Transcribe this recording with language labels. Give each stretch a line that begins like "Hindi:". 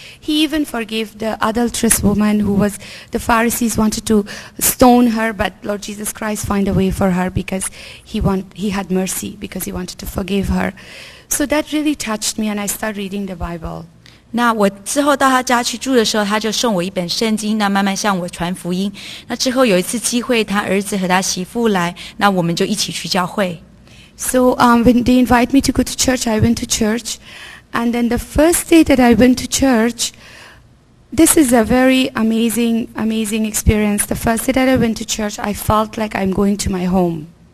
English: He even forgave the adulterous woman who was, the Pharisees wanted to stone her, but Lord Jesus Christ found a way for her because he had mercy, because he wanted to forgive her. So that really touched me, and I started reading the Bible.
Chinese: 那我之后到他家去住的时候，他就送我一本圣经，那慢慢向我传福音。那之后有一次机会，他儿子和他媳妇来， 那我们就一起去教会。
English: So when they invite me to go to church, I went to church. And then the first day that I went to church, this is a very amazing, amazing experience. The first day that I went to church, I felt like I'm going to my home.